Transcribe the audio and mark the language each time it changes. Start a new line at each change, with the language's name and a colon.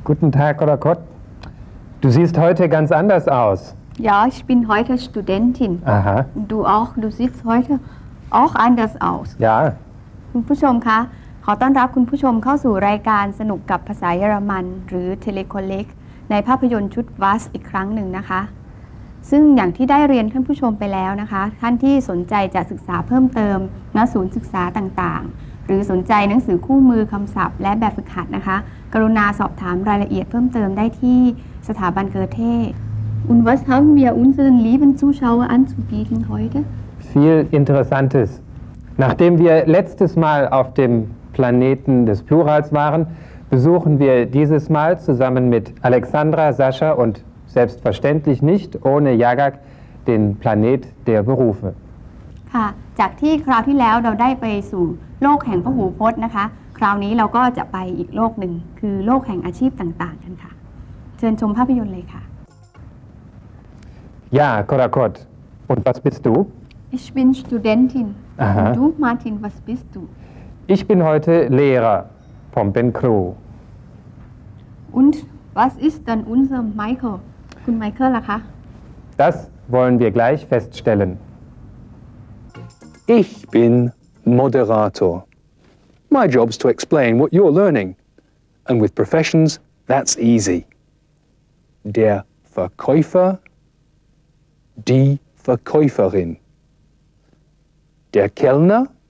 German: Guten Tag Rakot Du siehst heute ganz anders aus Ja ich bin heute Studentin Aha Du auch du siehst heute auch anders aus Ja
Thai: คุณผู้ชมคะขอต้อนรับคุณผู้ชมเข้าสู่รายการสนุกกับภาษาเยอรมันหรือ Telekolleg ในภาพยนตร์ชุด Was อีกครั้งหนึ่งนะคะซึ่งอย่างที่ได้เรียนท่านผู้ชมไปแล้วนะคะท่านที่สนใจจะศึกษาเพิ่มเติมณศูนย์ศึกษาต่างๆหรือสนใจหนังสือคู่มือคำศัพท์และแบบฝึกหัดนะคะกรุณาสอบถามรายละเอียดเพิ่มเติมได้ที่สถาบันเกอเท
German: Und was haben wir unseren lieben Zuschauer anzubieten heute? Viel Interessantes. Nachdem wir letztes Mal auf dem Planeten des Plurals waren, besuchen wir dieses Mal zusammen mit Alexandra, Sascha und selbstverständlich nicht ohne Jagak den Planet der Berufe.
Thai: ค่ะจากที่คราวที่แล้วเราได้ไปสู่โลกแห่งพหูพจน์นะคะคราวนี้เราก็จะไปอีกโลกหนึ่งคือโลกแห่งอาชีพต่างๆกันค่ะเชิญชมภาพยนตร์เลยค่ะ
German: Ja, Korakot. Und was bist du? Ich bin Studentin. Aha. Und du, Martin, was bist du? Ich bin heute Lehrer vom Ben Crew. Und was ist denn unser Michael?
Thai: Kun Michael, laka?
German: Das wollen wir gleich feststellen. Ich bin Moderator.
English: My job is to explain what you're learning. And with professions, that's easy.
German: Der Verkäufer... Die Verkäuferin. Der Kellner.